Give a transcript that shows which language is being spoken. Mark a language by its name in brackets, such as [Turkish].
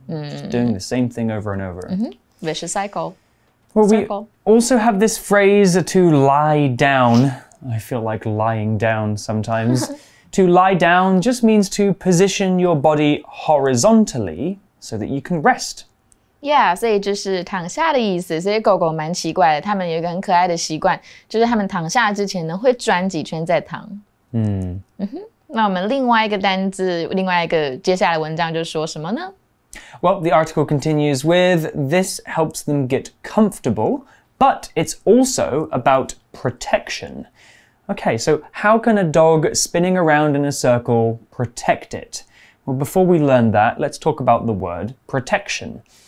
[English] Just doing the same thing over and over. Vicious cycle. Well, we also have this phrase to lie down. I feel like lying down sometimes. To lie down just means to position your body horizontally. So that you can rest. [Chinese] Yeah, 所以就是躺下的意思。所以狗狗蛮奇怪的，它们有一个很可爱的习惯，就是它们躺下之前呢，会转几圈再躺。那我们另外一个单字，另外一个接下来文章就说什么呢？ [English] Well, the article continues with, this helps them get comfortable, but it's also about protection. Okay, so how can a dog spinning around in a circle protect it? Well, before we learn that, let's talk about the word protection.